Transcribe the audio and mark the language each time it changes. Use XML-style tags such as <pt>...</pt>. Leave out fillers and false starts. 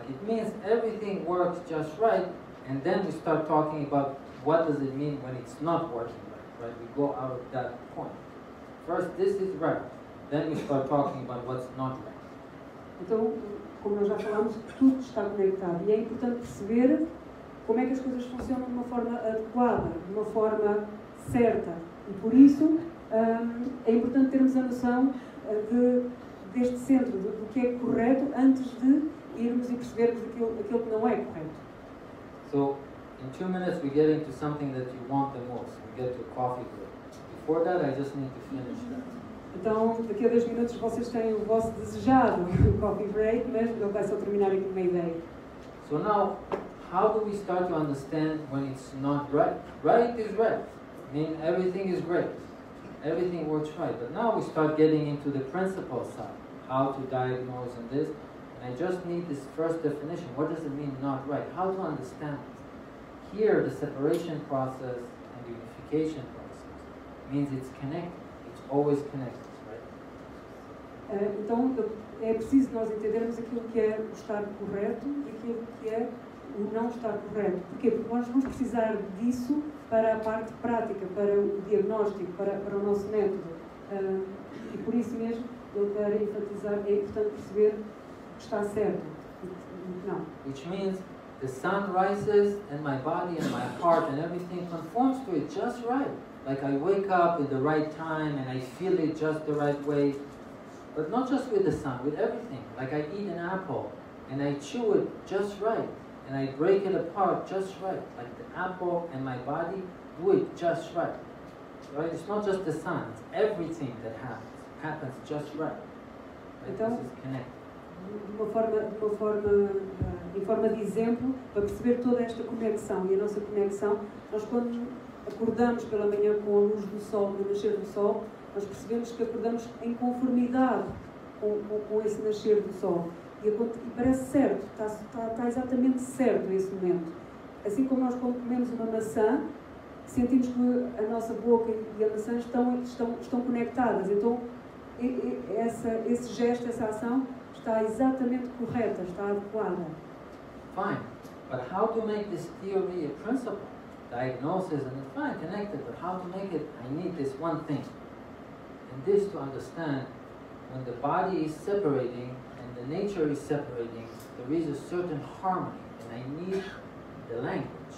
<en>Like, it means everything works just right, and then we start talking about what does it mean when it's not working right, right? We go out of that point. First, this is right. Then we start talking about what's not right.</en> <pt>Então, como nós já falamos, tudo está conectado. E é importante perceber como é que as coisas funcionam de uma forma adequada, de uma forma certa. E por isso, é importante termos a noção deste centro, do que é correto, antes de irmos e percebermos aquilo que não é correto.</pt> <en>So, in 2 minutes we get into something that you want the most. We get to a coffee break. Before that, I just need to finish that.</en> <pt>Então, daqui a 2 minutos vocês têm o vosso desejado coffee break, mas eu vou só terminar aqui uma ideia.</pt> <en>So now, how do we start to understand when it's not right? Right is right. I mean, everything is great. Everything works right. But now we start getting into the principle side, how to diagnose and this. And I just need this first definition. What does it mean not right? How to understand it? Here, the separation process and the unification process means it's connected. It's always connected, right?</en> <pt>Então, é preciso nós entendermos aquilo que é o estar correto e aquilo que é o não estar correto. Porquê? Porque nós vamos precisar disso para a parte prática, para o diagnóstico, para o nosso método. E por isso mesmo, eu quero enfatizar, é importante perceber o que está certo e o que não.</pt> <en>Which means, the sun rises and my body and my heart and everything conforms to it just right. Like I wake up at the right time and I feel it just the right way. But not just with the sun, with everything. Like I eat an apple and I chew it just right. And I break it apart just right, like the apple and my body do it just right. Right? It's not just the sun, it's everything that happens just right. Right?</en> <pt>Então,</pt> <en>this is connected.</en> <pt>De uma forma de exemplo, para perceber toda esta conexão e a nossa conexão, nós quando acordamos pela manhã com a luz do sol, no nascer do sol, nós percebemos que acordamos em conformidade com esse nascer do sol. E parece certo, está exatamente certo nesse momento. Assim como nós quando comemos uma maçã, sentimos que a nossa boca e a maçã estão conectadas. Então, esse gesto, essa ação, está exatamente correta, está adequada.</pt> <en>Fine, but how to make this theory a principle? Diagnosis and it's fine, connected, but how to make it? I need this one thing. And this to understand, when the body is separating and the nature is separating, there is a certain harmony, and I need the language.</en>